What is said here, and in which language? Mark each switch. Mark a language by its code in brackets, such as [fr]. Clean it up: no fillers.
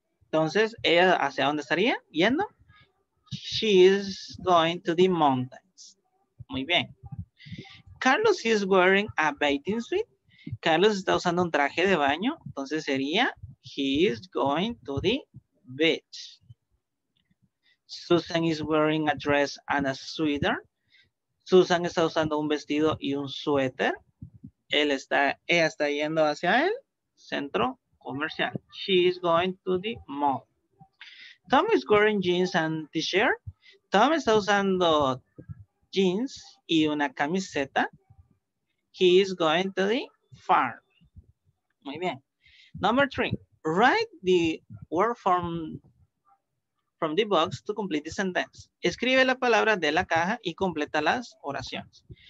[es] Entonces, ¿ella hacia dónde estaría yendo? [en] She is going to the mountains. [es] Muy bien. Carlos [en] is wearing a bathing suit. [es] Carlos está usando un traje de baño. Entonces sería, [en] he is going to the beach. Susan is wearing a dress and a sweater. [es] Susan está usando un vestido y un suéter. Ella está yendo hacia el centro comercial. [en] She is going to the mall. Tom is wearing jeans and t-shirt. [es] Tom está usando jeans y una camiseta. [en] He is going to the farm. [es] Muy bien. [en] Number three. Write the word from the box to complete the sentence. [es] Escribe la palabra de la caja y completa las oraciones.